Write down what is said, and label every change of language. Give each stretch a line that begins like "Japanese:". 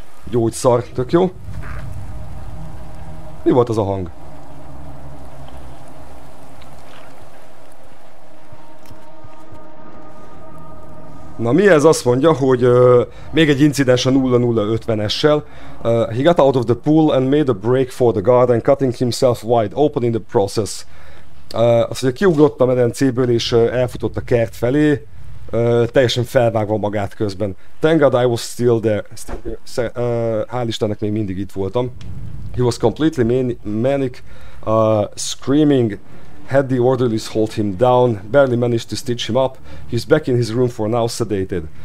Hungarian: Gyógyszar, tök jó. Mi volt az a hang? Na mi ez, azt mondja, hogy még egy incidens a 0050-essel.
English: He got out of the pool and made a break for the garden, cutting himself wide open in the process.
Hungarian: Azt mondja, kiugrott a medencéből és elfutott a kert felé. Teljesen felvágva magát közben.
English: Thank God I was still there.
Hungarian: Hál' Istennek még mindig itt voltam.
English: He was completely manic screaming, had the orderlies hold him down, barely managed to stitch him up. He's back in his room for now, sedated.